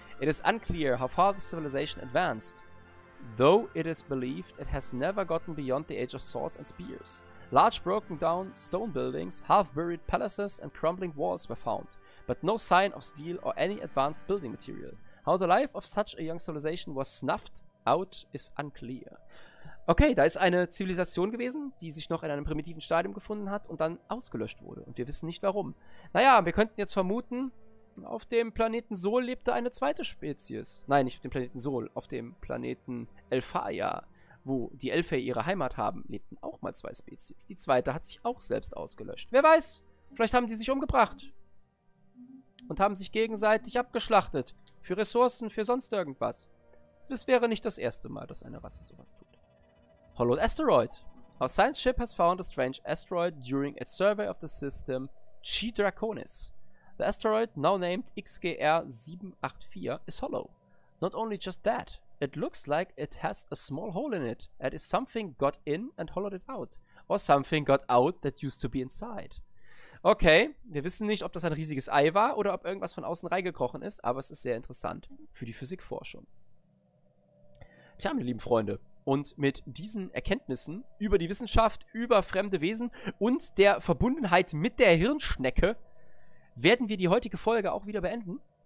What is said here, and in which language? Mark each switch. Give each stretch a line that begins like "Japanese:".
English: It is unclear how far the civilization advanced, though it is believed it has never gotten beyond the age of swords and spears. Large broken down stone buildings, half buried palaces and crumbling walls were found, but no sign of steel or any advanced building material. How the life of such a young civilization was snuffed out is unclear.
German: Okay, da ist eine Zivilisation gewesen, die sich noch in einem primitiven Stadium gefunden hat und dann ausgelöscht wurde. Und wir wissen nicht warum. Naja, wir könnten jetzt vermuten, auf dem Planeten Sol lebte eine zweite Spezies. Nein, nicht auf dem Planeten Sol, auf dem Planeten Elfaia, wo die Elfe ihre Heimat haben, lebten auch mal zwei Spezies. Die zweite hat sich auch selbst ausgelöscht. Wer weiß, vielleicht haben die sich umgebracht. Und haben sich gegenseitig abgeschlachtet. Für Ressourcen, für sonst irgendwas. Das wäre nicht das erste Mal, dass eine Rasse sowas tut.
English: Hollowed Asteroid. Our science ship has found a strange asteroid during its survey of the system Chi Draconis. The asteroid, now named XGR-784, is hollow. Not only just that, it looks like it has a small hole in it. That is something got in and hollowed it out. Or something got out that used to be inside.
German: Okay, wir wissen nicht, ob das ein riesiges Ei war oder ob irgendwas von außen reingekrochen ist, aber es ist sehr interessant für die Physikforschung. Tja, meine lieben Freunde. Und mit diesen Erkenntnissen über die Wissenschaft, über fremde Wesen und der Verbundenheit mit der Hirnschnecke werden wir die heutige Folge auch wieder beenden.